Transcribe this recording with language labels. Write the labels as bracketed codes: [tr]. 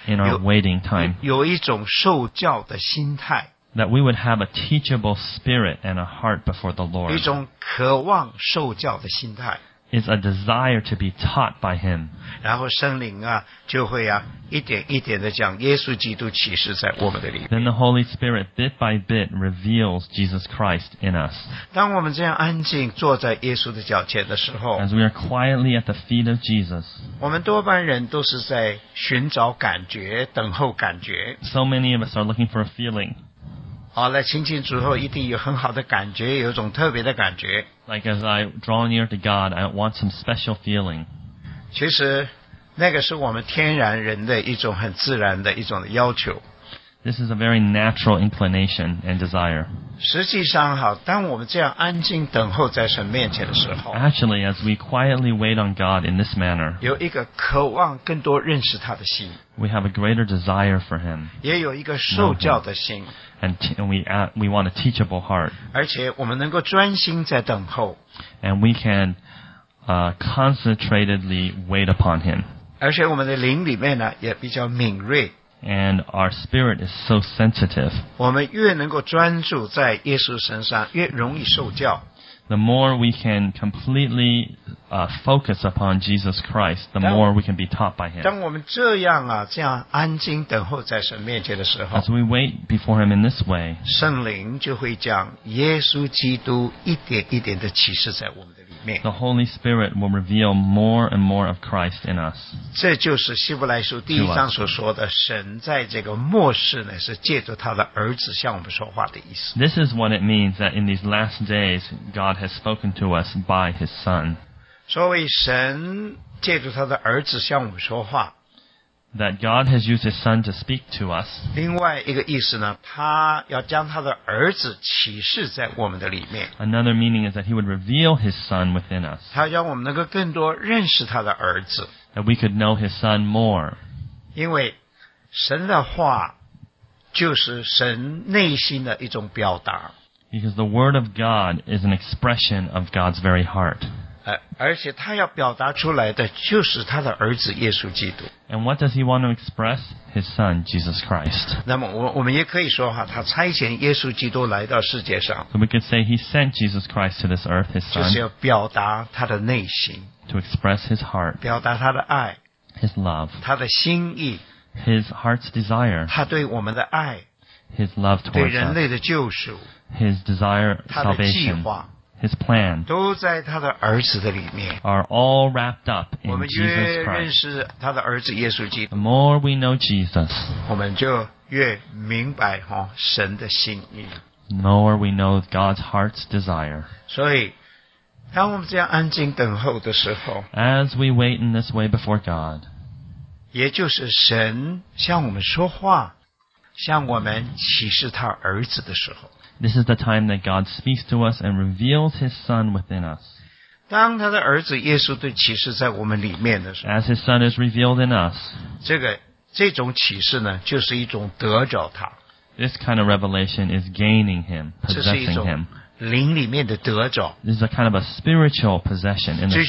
[en] In our waiting time. [zh] 有一种受教的心态 [en] That we would have a teachable spirit and a heart before the Lord. [zh] 一种渴望受教的心态 [en] It's a desire to be taught by him. [zh] 然后圣灵啊就会啊一点一点的将耶稣基督启示在我们的里面 [en] Then the Holy Spirit bit by bit reveals Jesus Christ in us. [zh] 当我们这样安静坐在耶稣的脚前的时候 [en] As we are quietly at the feet of Jesus. [zh] 我们多半人都是在寻找感觉等候感觉 [en] So many of us are looking for a feeling. [zh] 好来亲近主后一定有很好的感觉有一种特别的感觉 [en] Like as I draw near to God, I want some special feeling. [zh] 其实那个是我们天然人的一种很自然的一种的要求。 [en] This is a very natural inclination and desire. [zh] 实际上好，当我们这样安静等候在神面前的时候 [en] ，Actually, as we quietly wait on God in this manner, [zh] 有一个渴望更多认识他的心 [en] ，We have a greater desire for Him. [zh] 也有一个受教的心 [en] ，And we want a teachable heart. [zh] 而且我们能够专心在等候 [en] ，And we can concentratedly wait upon Him. [zh] 而且我们的灵里面呢也比较敏锐。 [en] And our spirit is so sensitive. [zh] 我们越能够专注在耶稣身上，越容易受教。 [en] The more we can completely focus upon Jesus Christ, the more we can be taught by Him. [zh] 当我们这样啊，这样安静等候在神面前的时候 [en] ，As we wait before Him in this way, [zh] 圣灵就会将耶稣基督一点一点的启示在我们的里面。 [en] The Holy Spirit will reveal more and more of Christ in us. [zh] 这就是希伯来书第一章所说的，神在这个末世呢，是借着他的儿子向我们说话的意思。 [en] This is what it means that in these last days, God has spoken to us by His Son. [zh] 所以神借着他的儿子向我们说话。 [en] That God has used His Son to speak to us. [zh] 另外一个意思呢，他要将他的儿子启示在我们的里面。 [en] Another meaning is that He would reveal His Son within us. [zh] 他要让我们能够更多认识他的儿子。 [en] That we could know His Son more. [zh] 因为神的话就是神内心的一种表达。 [en] Because the Word of God is an expression of God's very heart. [zh] 而且他要表达出来的就是他的儿子耶稣基督。 [en] And what does he want to express? His son, Jesus Christ. [zh] 那么我们也可以说哈，他差遣耶稣基督来到世界上。 [en] So we could say he sent Jesus Christ to this earth, his son. [zh] 就是要表达他的内心。 [en] To express his heart. [zh] 表达他的爱。 [en] His love. [zh] 他的心意。 [en] His heart's desire. [zh] 他对我们的爱。 [en] His love towards us. [zh] 对人类的救赎。 [en] His desire, salvation. [zh] 他的计划。 [en] His plan [zh] 都在他的儿子的里面 [en] are all wrapped up in Jesus Christ. [zh] 我们越认识他的儿子耶稣基督 [en] The more we know Jesus, [zh] 我们就越明白哈神的心意 [en] The more we know God's heart's desire. [zh] 所以当我们这样安静等候的时候 [en] As we wait in this way before God, [zh] 也就是神向我们说话向我们启示他儿子的时候 [en] This is the time that God speaks to us and reveals His Son within us. [zh] 当他的儿子耶稣对启示在我们里面的时候 [en] As His Son is revealed in us. [zh] 这种启示呢就是一种得着他。 [en] This kind of revelation is gaining Him, possessing Him. [zh] 这是一种灵里面的得着。 [en] This is a kind of a spiritual possession in the Spirit.